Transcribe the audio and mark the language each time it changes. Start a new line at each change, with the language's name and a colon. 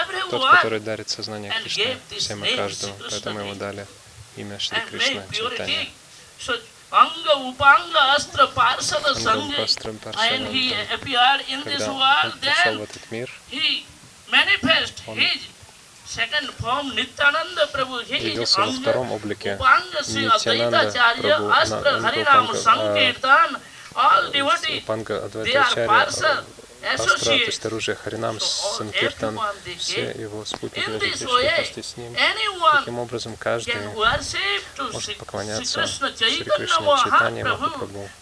Russian: Тот, который дарит сознание Кришне всем и каждому. Поэтому ему дали имя Шри Кришна Чайтанья.
Sanskrit: Anga upanga astra parsada sangha,
English: and he appeared in this world, then he manifested his second form, Nityananda Prabhu, he is Anga upanga si Advaita Charya astra Harinam Sankirtan, all devotees, they are parsada.
Russian: Астра, то есть оружие Харинам, Санкиртан, все его спутники, вместе с ним. Таким образом, каждый может поклоняться Шри Кришне, Чайтанья Махапрабху,